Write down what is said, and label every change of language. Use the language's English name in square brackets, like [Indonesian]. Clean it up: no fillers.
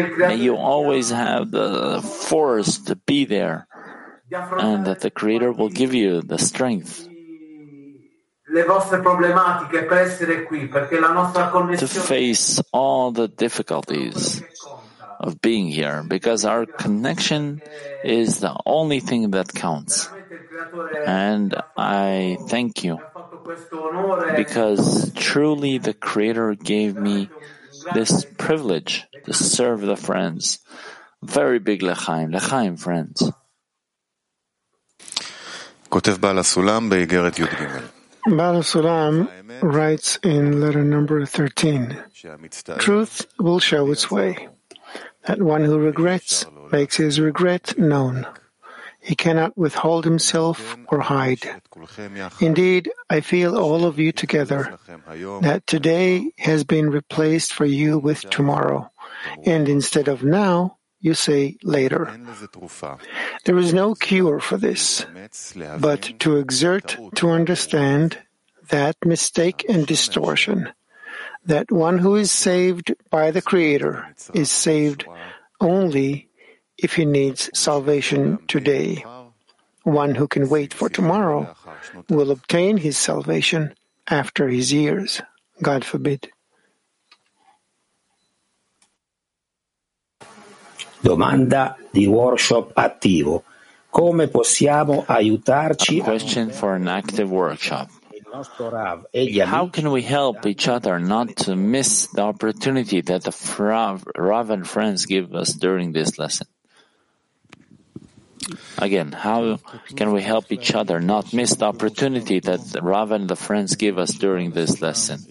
[English] May you always have the force to be there and that the Creator will give you the strength. [Italian] Le vostre problematiche per essere qui perché la nostra connessione [English] to face all the difficulties of being here because our connection is the only thing that counts and I thank you because truly the Creator gave me this privilege to serve the friends very big l'chaim l'chaim friends [Hebrew] כותב בעל הסולם באיגרת י' ג' [English] Baal HaSulam writes in letter number 13, Truth will show its way. That one who regrets makes his regret known. He cannot withhold himself or hide. Indeed, I feel all of you together, that today has been replaced for you with tomorrow. And instead of now, you say later. There is no cure for this, but to exert to understand that mistake and distortion, that one who is saved by the Creator is saved only if he needs salvation today. One who can wait for tomorrow will obtain his salvation after his years. God forbid. [Italian] Domanda di workshop attivo. Come possiamo aiutarci? [English] A question for an active workshop. How can we help each other not to miss the opportunity that the Rav and friends give us during this lesson? Again, how can we help each other not miss the opportunity that the Rav and the friends give us during this lesson?